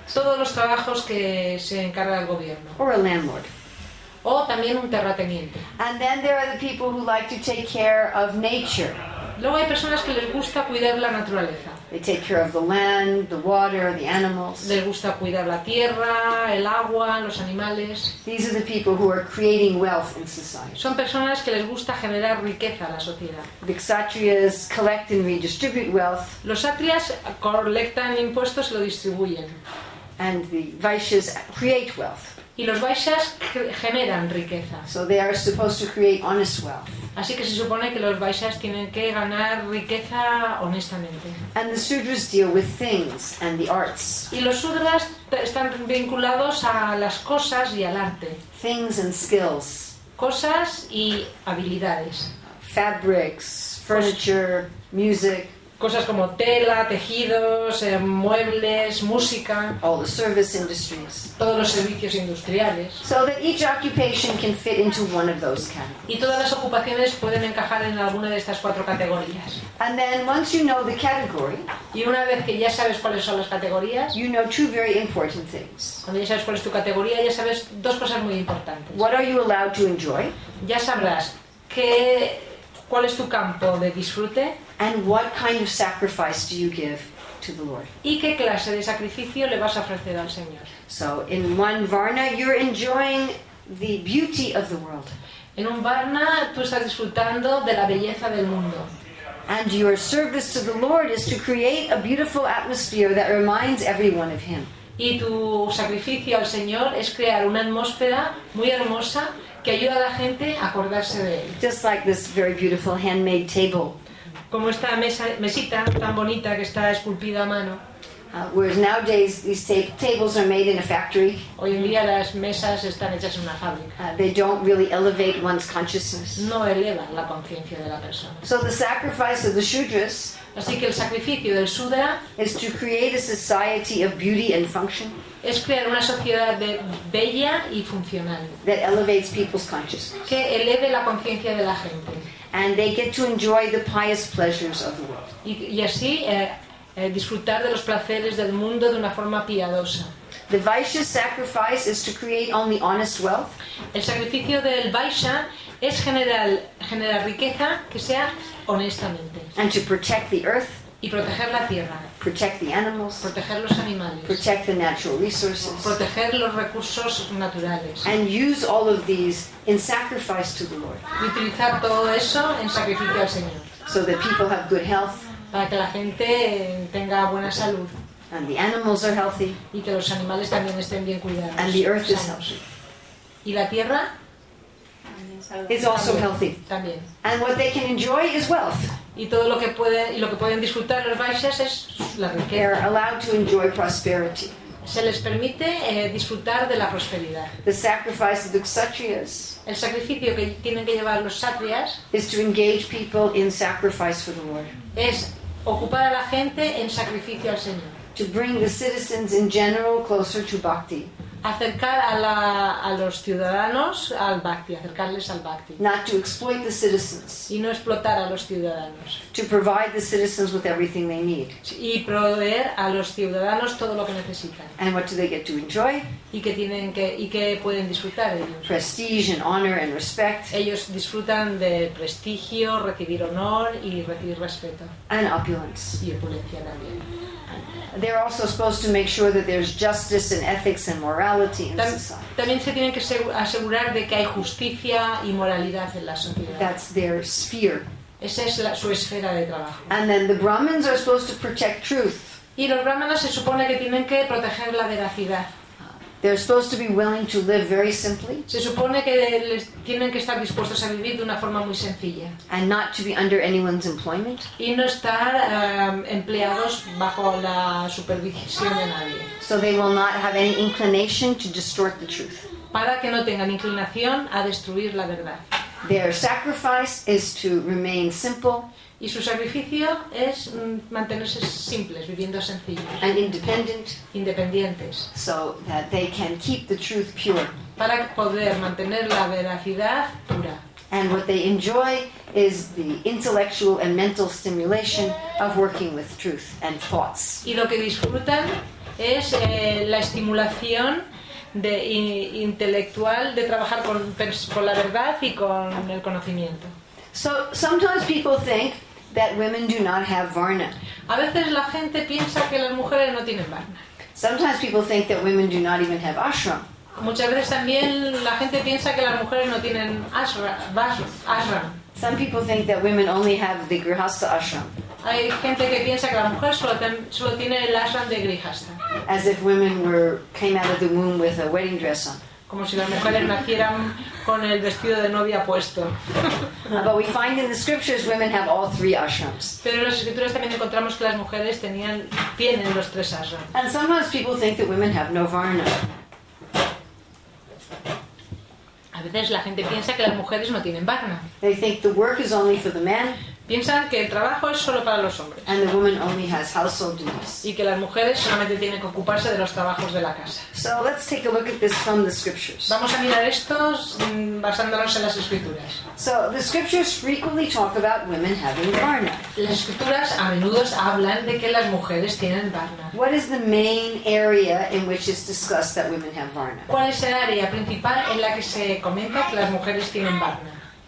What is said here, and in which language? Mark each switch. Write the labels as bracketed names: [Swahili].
[Spanish] Todos los trabajos que se encarga el gobierno. [English] Or a landlord. [Spanish] O también un terrateniente. [English] And then there are the people who like to take care of nature. [Spanish] Luego hay personas que les gusta cuidar la naturaleza. [English] They take care of the land, the water, the animals. [Spanish] Les gusta cuidar la tierra, el agua, los animales. [English] These are the people who are creating wealth in society. [Spanish] Son personas que les gusta generar riqueza a la sociedad. [English] The kshatriyas collect and redistribute wealth. [Spanish] Los kshatriyas colectan impuestos y lo distribuyen. [English] And the vaishyas create wealth. [Spanish] Y los vaishyas generan riqueza. [English] So they are supposed to create honest wealth. [Spanish] Así que se supone que los vaishyas tienen que ganar riqueza honestamente. [English] And the sudras deal with things and the arts. [Spanish] Y los sudras están vinculados a las cosas y al arte. [English] Things and skills. [Spanish] Cosas y habilidades. [English] Fabrics, furniture, music. [Spanish] Cosas como tela, tejidos, muebles, música. [English] All the service industries. [Spanish] Todos los servicios industriales. [English] So that each occupation can fit into one of those categories. [Spanish] Y todas las ocupaciones pueden encajar en alguna de estas cuatro categorías. [English] And then once you know the category, [Spanish] y una vez que ya sabes cuáles son las categorías, [English] you know two very important things. [Spanish] Cuando ya sabes cuál es tu categoría, ya sabes dos cosas muy importantes. [English] What are you allowed to enjoy? [Spanish] Ya sabrás qué, cuál es tu campo de disfrute. [English] And what kind of sacrifice do you give to the Lord? [Spanish] ¿Y qué clase de sacrificio le vas a ofrecer al Señor? [English] So in one varna you're enjoying the beauty of the world. [Spanish] En un varna tú estás disfrutando de la belleza del mundo. [English] And your service to the Lord is to create a beautiful atmosphere that reminds everyone of Him. [Spanish] Y tu sacrificio al Señor es crear una atmósfera muy hermosa que ayuda a la gente a acordarse de Él. [English] Just like this very beautiful handmade table. [Spanish] Como esta mesa, mesita tan bonita que está esculpida a mano. [English] Whereas nowadays these tables are made in a factory. [Spanish] Hoy en día las mesas están hechas en una fábrica. [English] They don't really elevate one's consciousness. [Spanish] No elevan la conciencia de la persona. [English] So the sacrifice of the shudras. [Spanish] Así que el sacrificio del sudra [English] is to create a society of beauty and function. [Spanish] Es crear una sociedad de bella y funcional. [English] That elevates people's consciousness. [Spanish] Que eleve la conciencia de la gente. [English] And they get to enjoy the pious pleasures of the world. [Spanish] Y así disfrutar de los placeres del mundo de una forma piadosa. [English] The vaishya sacrifice is to create only honest wealth. [Spanish] El sacrificio del vaishya es generar riqueza que sea honestamente. [English] And to protect the earth. [Spanish] Y proteger la tierra. [English] Protect the animals. [Spanish] Proteger los animales. [English] Protect the natural resources. [Spanish] Proteger los recursos naturales. [English] And use all of these in sacrifice to the Lord. [Spanish] Y utilizar todo eso en sacrificio al Señor. [English] So that people have good health. [Spanish] Para que la gente tenga buena salud. [English] And the animals are healthy. [Spanish] Y que los animales también estén bien cuidados. [English] And the earth is healthy. [Spanish] Y la tierra. [English] It's also healthy. [Spanish] También. [English] And what they can enjoy is wealth. [Spanish] y todo lo que pueden y lo que pueden disfrutar los vaishyas es la riqueza. [English] They are allowed to enjoy prosperity. [Spanish] Se les permite disfrutar de la prosperidad. [English] The sacrifice of the kshatriyas. [Spanish] El sacrificio que tienen que llevar los kshatriyas [English] is to engage people in sacrifice for the Lord. [Spanish] Es ocupar a la gente en sacrificio al Señor. [English] To bring the citizens in general closer to bhakti. [Spanish] Acercar a la a los ciudadanos al bhakti, acercarles al bhakti. [English] Not to exploit the citizens. [Spanish] Y no explotar a los ciudadanos. [English] To provide the citizens with everything they need. [Spanish] Y proveer a los ciudadanos todo lo que necesitan. [English] And what do they get to enjoy? [Spanish] Y que tienen que y que pueden disfrutar ellos. [English] Prestige and honor and respect. [Spanish] Ellos disfrutan de prestigio, recibir honor y recibir respeto. [English] And opulence. [Spanish] Y opulencia también. [English] They're also supposed to make sure that there's justice and ethics and morality in society. [Spanish] También se tienen que asegurar de que hay justicia y moralidad en la sociedad. [English] That's their sphere. [Spanish] Esa es su esfera de trabajo. [English] And then the Brahmins are supposed to protect truth. [Spanish] Y los brahmanas se supone que tienen que proteger la veracidad. [English] They're supposed to be willing to live very simply. [Spanish] Se supone que tienen que estar dispuestos a vivir de una forma muy sencilla. [English] And not to be under anyone's employment. [Spanish] Y no estar empleados bajo la supervisión de nadie. [English] So they will not have any inclination to distort the truth. [Spanish] Para que no tengan inclinación a destruir la verdad. [English] Their sacrifice is to remain simple. [Spanish] Y su sacrificio es mantenerse simples, viviendo sencillos. [English] And independent. [Spanish] Independientes. [English] So that they can keep the truth pure. [Spanish] Para poder mantener la veracidad pura. [English] And what they enjoy is the intellectual and mental stimulation of working with truth and thoughts. [Spanish] Y lo que disfrutan es la estimulación de intelectual de trabajar con la verdad y con el conocimiento. [English] So sometimes people think that women do not have varna. [Spanish] A veces la gente piensa que las mujeres no tienen varna. [English] Sometimes people think that women do not even have ashram. [Spanish] Muchas veces también la gente piensa que las mujeres no tienen ashram. [English] Some people think that women only have the grihastha ashram. [Spanish] Hay gente que piensa que las mujeres solo tienen el ashram de grihastha. [English] As if women came out of the womb with a wedding dress on. [Spanish] Como si las mujeres nacieran con el vestido de novia puesto. [English] But we find in the scriptures women have all three ashrams. [Spanish] Pero en las escrituras también encontramos que las mujeres tienen los tres ashrams. [English] And sometimes people think that women have no varna. [Spanish] A veces la gente piensa que las mujeres no tienen varna. [English] They think the work is only for the men. [Spanish] Piensan que el trabajo es solo para los hombres. [English] And the woman only has household duties. [Spanish] Y que las mujeres solamente tienen que ocuparse de los trabajos de la casa. [English] So let's take a look at this from the scriptures. [Spanish] Vamos a mirar esto basándonos en las escrituras. [English] So the scriptures frequently talk about women having varna. [Spanish] Las escrituras a menudo hablan de que las mujeres tienen varna. [English] What is the main area in which it's discussed that women have varna? [Spanish] ¿Cuál es el área principal en la que se comenta que las mujeres tienen varna?